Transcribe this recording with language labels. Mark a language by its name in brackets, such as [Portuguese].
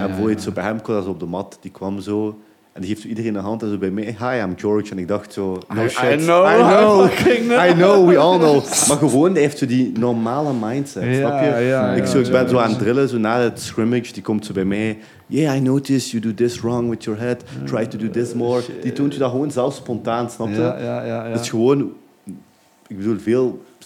[Dutch] En bijvoorbeeld zo bij hem kwam dat op de mat. Die kwam zo. En die geeft iedereen een hand en zo bij mij. [English] Hi, I'm George. [Dutch] En ik dacht zo, [English] no shit. I know. I know, we all know. [Dutch] Maar gewoon, hij heeft zo die normale mindset. Ja, snap je? Ik ben zo aan het drillen. Zo na het scrimmage, die komt zo bij mij. [English] Yeah, I notice you do this wrong with your head. Try to do this more. Shit. [Dutch] Die toont je dat gewoon zelf spontaan, snap je? Ja. Dat is gewoon, ik bedoel, veel...